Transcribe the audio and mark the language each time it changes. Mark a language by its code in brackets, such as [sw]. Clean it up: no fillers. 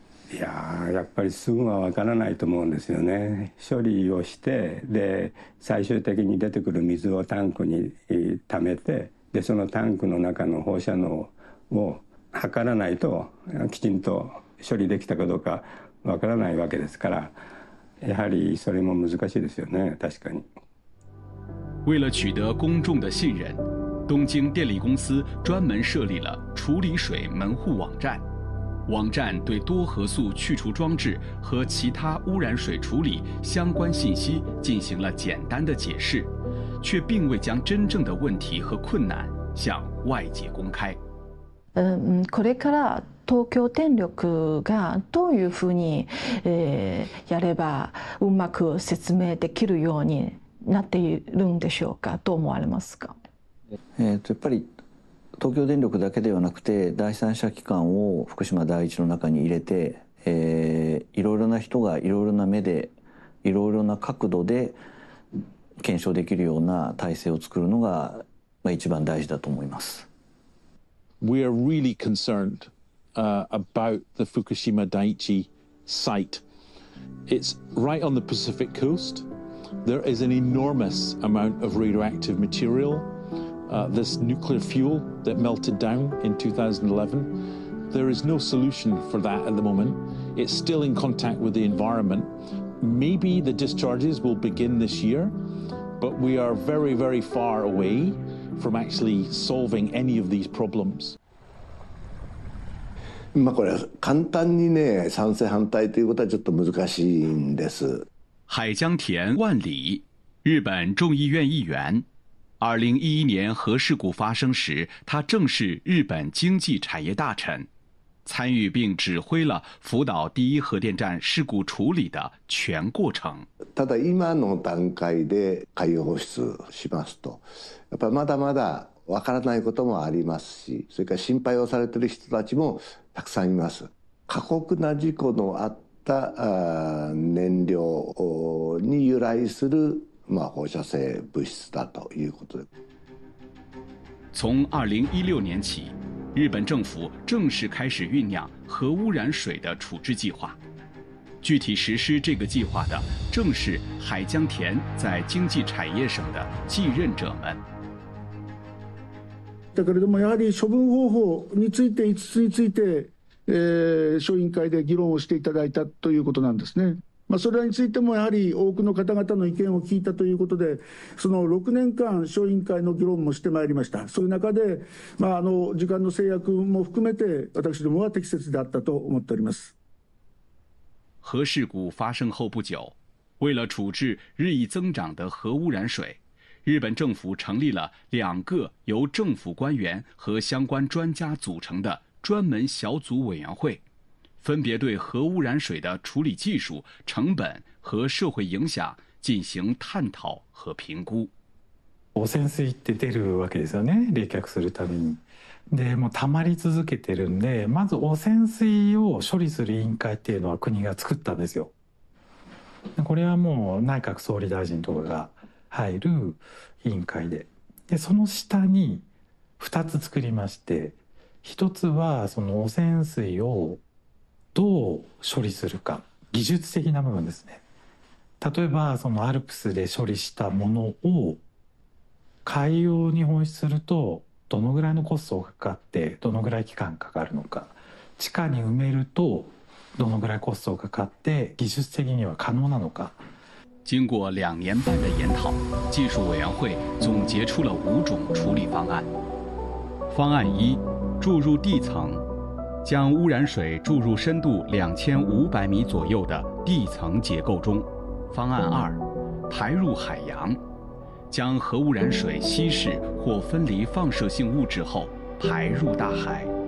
[ja] いや、やっぱりすぐは分からないと思うんですよね。処理をして、で最終的に出てくる水をタンクに溜めて、でそのタンクの中の放射能を測らないときちんと処理できたかどうかわからないわけですから、やはりそれも難しいですよね。確かに。 [zh] 为了取得公众的信任，东京电力公司专门设立了处理水门户网站。网站对多核素去除装置和其他污染水处理相关信息进行了简单的解释，却并未将真正的问题和困难向外界公开。 [ja] これから東京電力がどういうふうに、やればうまく説明できるようになっているんでしょうか？どう思われますか？やっぱり東京電力だけではなくて、第三者機関を福島第一の中に入れて、いろいろな人がいろいろな目でいろいろな角度で検証できるような体制を作るのが一番大事だと思います。 [en] We are really concerned about the Fukushima Daiichi site. It's right on the Pacific coast. There is an enormous amount of radioactive material. This nuclear fuel that melted down in 2011. There is no solution for that at the moment. It's still in contact with the environment. Maybe the discharges will begin this year, but we are very, very far away from actually solving any of these problems. [ja] まあ、これ簡単にね、賛成反対ということはちょっと難しいんです。 [zh] 海江田万里、日本众议院议员。 2011年核事故发生时，他正是日本经济产业大臣，参与并指挥了福岛第一核电站事故处理的全过程。 [ja] ただ今の段階で海洋放出しますと、やっぱまだまだ分からないこともありますし、それから心配をされている人たちもたくさんいます。過酷な事故のあった燃料に由来する、まあ、放射性物質だということで。 [zh] 从2016年起，日本政府正式开始酝酿核污染水的处置计划。具体实施这个计划的正是海江田在经济产业省的继任者们。 [ja] だけれども、やはり処分方法について5つについて、小委員会で議論をしていただいたということなんですね。まあ、それらについてもやはり多くの方々の意見を聞いたということで、その6年間小委員会の議論もしてまいりました。そういう中で、まあ、あの時間の制約も含めて私どもは適切であったと思っております。 [zh] 核事故发生后不久，为了处置日益增长的核污染水，日本政府成立了两个由政府官员和相关专家组成的专门小组委员会，分别对核污染水的处理技术、成本和社会影响进行探讨和评估。 [ja] 汚染水って出るわけですよね、冷却するたびに。でもう溜まり続けてるんで、まず汚染水を処理する委員会っていうのは国が作ったんですよ。これはもう内閣総理大臣とかが入る委員会 で、その下に2つ作りまして、1つはその汚染水をどう処理するか、技術的な部分ですね。例えばそのアルプスで処理したものを海洋に放出するとどのぐらいのコストがかかって、どのぐらい期間かかるのか、地下に埋めるとどのぐらいコストがかかって、技術的には可能なのか。 [zh] 经过两年半的研讨，技术委员会总结出了五种处理方案。方案一，注入地层，将污染水注入深度2500米左右的地层结构中。方案二，排入海洋，将核污染水稀释或分离放射性物质后排入大海。